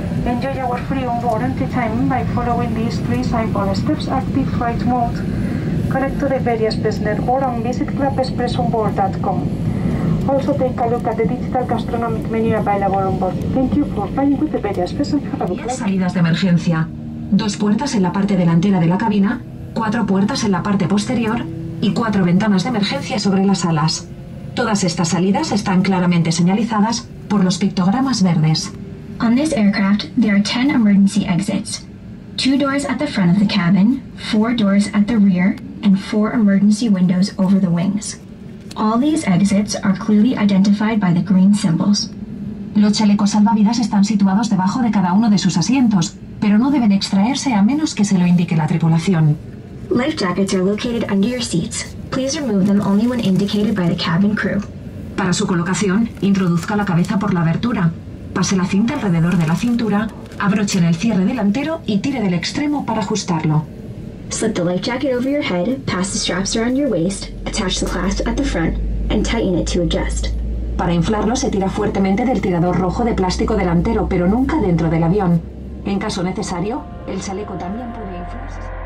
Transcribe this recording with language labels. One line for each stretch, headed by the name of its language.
English: Enjoy our free onboard entertainment by following these three simple steps, active flight mode, connect to the various business network and visit clubexpressonboard.com. Also take a look at the digital gastronomic menu available on board. Thank you for playing with the various business network.
Spanish: Salidas de emergencia. Dos puertas en la parte delantera de la cabina, cuatro puertas en la parte posterior y cuatro ventanas de emergencia sobre las alas. Todas estas salidas están claramente señalizadas por los pictogramas verdes.
English: On this aircraft, there are 10 emergency exits. Two doors at the front of the cabin, four doors at the rear, and four emergency windows over the wings. All these exits are clearly identified by the green symbols.
Spanish: Los chalecos salvavidas están situados debajo de cada uno de sus asientos, pero no deben extraerse a menos que se lo indique la tripulación.
English: Life jackets are located under your seats. Please remove them only when indicated by the cabin crew.
Spanish: Para su colocación, introduzca la cabeza por la abertura, pase la cinta alrededor de la cintura, abroche el cierre delantero y tire del extremo para ajustarlo.
English: Slip the life jacket over your head, pass the straps around your waist, attach the clasp at the front, and tighten it to adjust.
Spanish: Para inflarlo, se tira fuertemente del tirador rojo de plástico delantero, pero nunca dentro del avión. En caso necesario, el chaleco también puede inflarse.